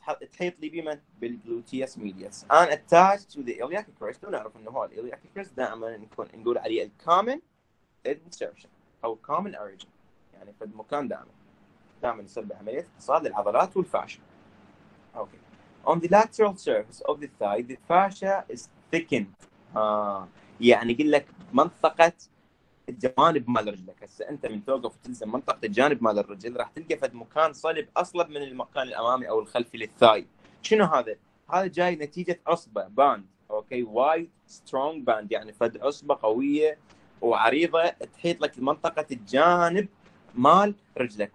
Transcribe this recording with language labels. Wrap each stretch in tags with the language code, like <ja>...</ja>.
<ar>تحيط لي بمن؟ بالجلوتيوس ميديوس.</ar> <en>and attach to the iliac crest,</en> <ar>ونعرف انه هو الايلياك كريست دائما نكون نقول عليه الكومن انسرشن او كومن اوريجن، يعني في المكان دائما دائما نسبه عمليه اتصال للعضلات والفاشا. اوكي.</ar> <en>On the lateral surface of the thigh, the fascia is thickened.</en> <ar>يعني يقول لك منطقة الجوانب مال رجلك، هسه انت من توقف وتلزم منطقة الجانب مال الرجل راح تلقى فد مكان صلب اصلب من المكان الامامي او الخلفي للثاي. شنو هذا؟ هذا جاي نتيجة عصبة باند، اوكي</ar> <en>وايد strong band,</en> <ar>يعني فد عصبة قوية وعريضة تحيط لك منطقة الجانب مال رجلك.</ar>